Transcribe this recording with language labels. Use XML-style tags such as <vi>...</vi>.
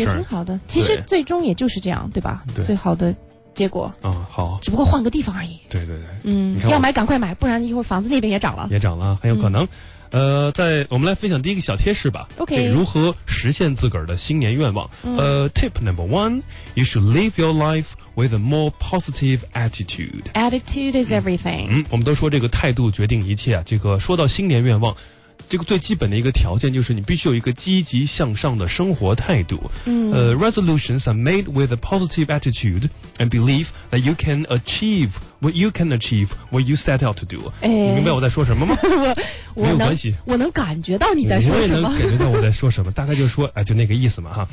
<zh>也挺好的，其实最终也就是这样对吧，对，最好的结果啊、哦，好，只不过换个地方而已。对对对，嗯，要买赶快买，不然一会儿房子那边也涨了，也涨了，很有可能。嗯、在我们来分享第一个小贴士吧。</zh> <en>OK，</en> <zh>如何实现自个儿的新年愿望？嗯、</zh> <en>Tip number one, you should live your life with a more positive attitude. Attitude is everything.</en> <zh>嗯，我们都说这个态度决定一切啊。这个说到新年愿望。这个最基本的一个条件就是你必须有一个积极向上的生活态度。嗯。</zh> <en>Resolutions are made with a positive attitude and belief that you can achieve what you can achieve what you set out to do.、哎、</en> <zh>你明白我在说什么吗？我没有关系，我能感觉到你在说什么。我也能感觉到我在说什么，大概就是说，就那个意思嘛，哈。</zh>